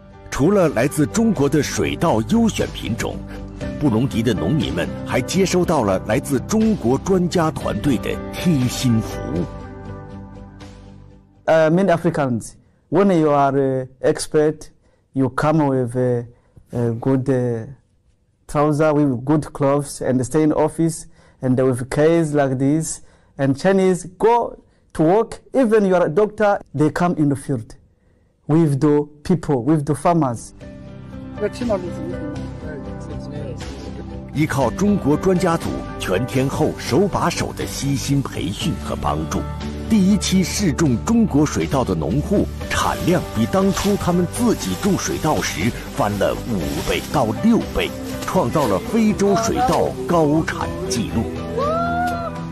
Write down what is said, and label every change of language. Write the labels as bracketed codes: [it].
[zh] 除了来自中国的水稻优选品种，布隆迪的农民们还接收到了来自中国专家团队的贴心服务。 [en] Many Africans, when you are expert, you come with good trousers, with good clothes, and stay in office, and with case like this. And Chinese go to work. Even you are a doctor, they come in the field with the people, with the farmers. [zh] 依靠中国专家组全天候手把手的悉心培训和帮助，第一期试种中国水稻的农户产量比当初他们自己种水稻时翻了五倍到六倍，创造了非洲水稻高产记录。